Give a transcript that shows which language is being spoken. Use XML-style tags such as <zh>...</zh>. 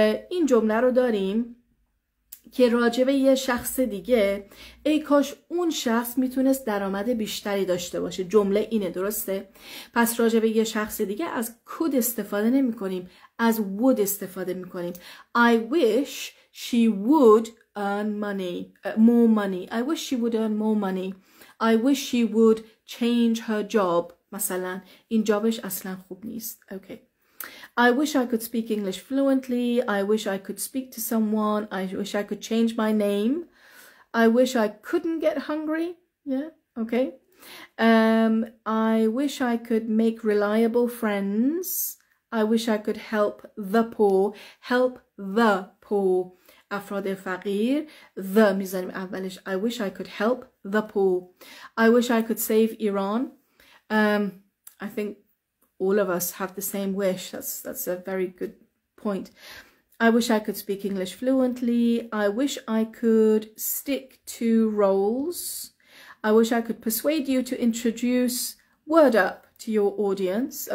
<fa>این جمله رو داریم که راجع به یه شخص دیگه، ای کاش اون شخص میتونست درآمد بیشتری داشته باشه. جمله اینه، درسته؟ پس راجع به یه شخص دیگه از could استفاده نمیکنیم، از would استفاده میکنیم.</fa> <en>I wish she would earn money, more money. I wish she would earn more money. I wish she would change her job.</en> <fa>مثلا این جابش اصلا خوب نیست.</fa> <en>Okay. I wish I could speak English fluently. I wish I could speak to someone. I wish I could change my name. I wish I couldn't get hungry. Yeah. Okay. I wish I could make reliable friends. I wish I could help the poor. Help the poor.</en> <fa>افراد فقیر، the میذاریم اولش.</fa> <en>I wish I could help the poor. I wish I could save Iran. I think all of us have the same wish. That's a very good point. I wish I could speak English fluently. I wish I could stick to roles. I wish I could persuade you to introduce word up to your audience.</en>